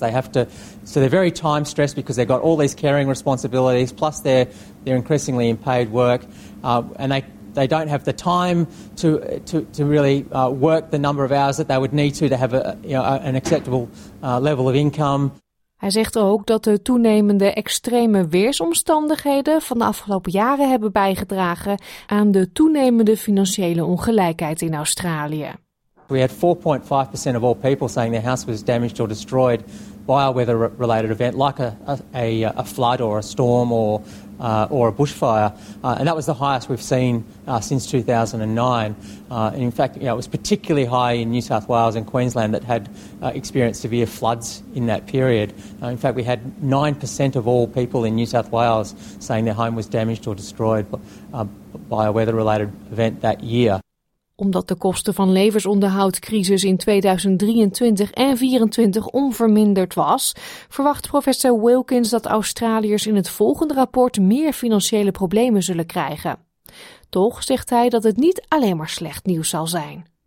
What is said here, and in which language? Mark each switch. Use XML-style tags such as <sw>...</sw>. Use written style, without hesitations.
<en>So they're very time stressed because they've got all these caring responsibilities, plus they're increasingly in paid work, and they don't have the time to really work the number of hours that they would need to have an acceptable level of income.</en> <nl>Hij zegt ook dat de toenemende extreme weersomstandigheden van de afgelopen jaren hebben bijgedragen aan de toenemende financiële ongelijkheid in Australië.</nl> <en>We had 4.5% of all people saying their house was damaged or destroyed by a weather-related event, like a flood or a storm or a bushfire, and that was the highest we've seen since 2009. And in fact, it was particularly high in New South Wales and Queensland that had experienced severe floods in that period. In fact, we had 9% of all people in New South Wales saying their home was damaged or destroyed by a weather-related event that year.</en> <nl>Omdat de kosten van levensonderhoudcrisis in 2023 en 2024 onverminderd was, verwacht professor Wilkins dat Australiërs in het volgende rapport meer financiële problemen zullen krijgen. Toch zegt hij dat het niet alleen maar slecht nieuws zal zijn.</nl>